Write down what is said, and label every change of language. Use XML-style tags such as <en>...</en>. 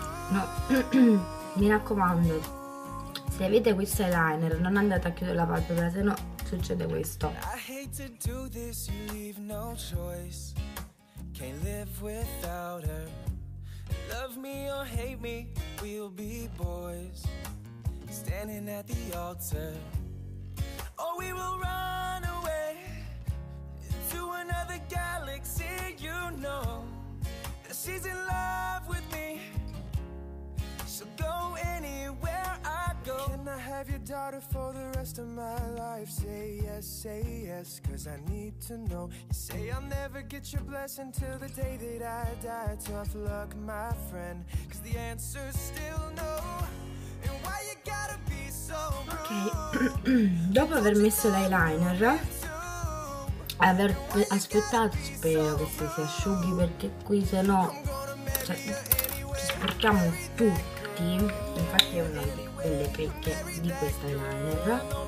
<it>No. Mi raccomando, se avete questo eyeliner, non andate a chiudere la palpebra, se no succede questo.</it> <en>I hate to do this, you leave no choice. Can't live without her. Love me or hate me, we'll be boys. Standing at the altar. Oh, we will run away to another galaxy, you know. She's in love with me. She'll go anywhere I go. Can I have your daughter for the rest of my life? Say yes, cause I need to know. You say I'll never get your blessing till the day that I die. Tough luck, my friend, cause the answer's still no. And why you gotta be so rude?</en> <it>Ok, dopo aver messo l'eyeliner, aver aspettato, spero che si asciughi, perché qui se no, cioè, ci sporchiamo tutti. Infatti è una delle pecche di questa eyeliner.</it>